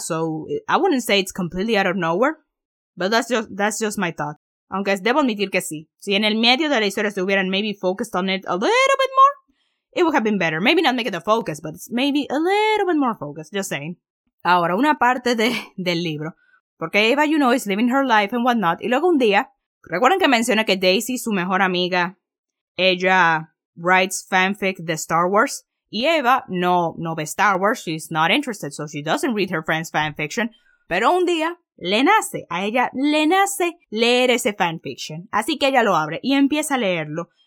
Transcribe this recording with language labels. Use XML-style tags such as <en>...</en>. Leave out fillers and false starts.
<en>So I wouldn't say it's completely out of nowhere, but that's just my thought.</en> <es>Aunque debo admitir que sí. Si en el medio de la historia se hubieran</es> <en>maybe focused on it a little bit more, it would have been better. Maybe not make it a focus, but maybe a little bit more focus. Just saying.</en> <es>Ahora, una parte del libro. Porque</es> <en>Ava, you know, is living her life and whatnot.</en> <es>Y luego un día, recuerden que menciona que Daisy, su mejor amiga, ella</es> <en>writes fanfic</en> <es>de Star Wars. Y Ava no ve Star Wars.</es> <en>She's not interested, so she doesn't read her friend's fanfiction.</en> <es>Pero un día, a ella le nace leer ese fanfiction. Así que ella lo abre y empieza a leerlo.</es>